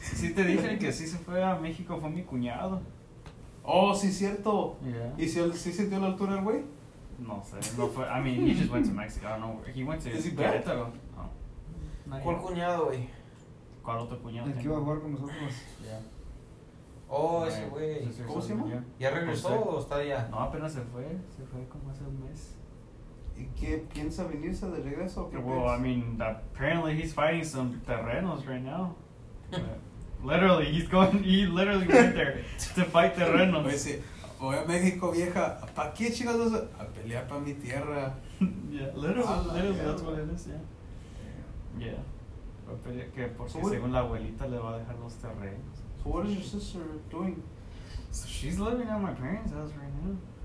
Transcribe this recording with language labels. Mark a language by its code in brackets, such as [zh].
[es] Sí te dije que sí se fue a México fue mi cuñado. Oh, sí, cierto. [en] Yeah. [es] ¿Y si sí sintió la altura, güey? No sé. [en] No, but, I mean, he just went to Mexico. I don't know where. He went to [es] Querétaro. ¿Cuál cuñado, güey? ¿Cuál otro cuñado? El que iba a jugar con nosotros. [en] Yeah. Oh, yeah. [es] Ese güey. ¿Cómo se llama? ¿Ya regresó o está allá? No, apenas se fue. Se fue como hace un mes. ¿Y qué piensa venirse de regreso? [en] Well, I mean, apparently he's fighting some terrenos right now. Literally, he's going. He literally went there to fight the Renos. [es] Pues sí, voy a México, vieja. ¿Pa qué chicos? A pelear pa mi tierra. [en] Yeah, literally, that's what it is. Yeah. Yeah. [es] Que porque según la abuelita le va a dejar los terrenos. [en] So what is your sister doing? So she's living at my parents' house right now.